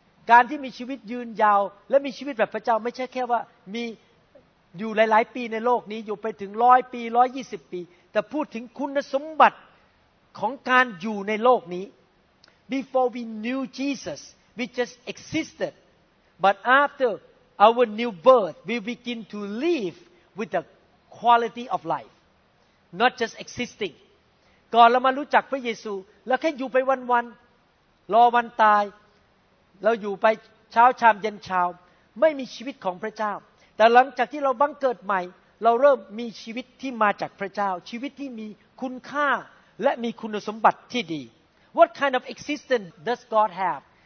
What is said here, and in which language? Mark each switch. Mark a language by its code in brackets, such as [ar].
[th] การที่มีชีวิตยืนยาวและมีชีวิตแบบพระเจ้าไม่ใช่แค่ว่ามีอยู่หลายๆปีในโลกนี้อยู่ไปถึง100ปี120ปีแต่พูดถึงคุณสมบัติของการอยู่ในโลกนี้ [en] Before we knew Jesus, we just existed. But after our new birth, we begin to live with theQuality of life, not just existing. [th] ก่อนเรามารู้จักพระเยซูเราแค่อยู่ไปวันๆรอวันตายเราอยู่ไปเช้าชามเย็นชามไม่มีชีวิตของพระเจ้าแต่หลังจากที่เราบังเกิดใหม่เราเริ่มมีชีวิตที่มาจากพระเจ้าชีวิตที่มีคุณค่าและมีคุณสมบัติที่ดี [en] What kind of existence does God have?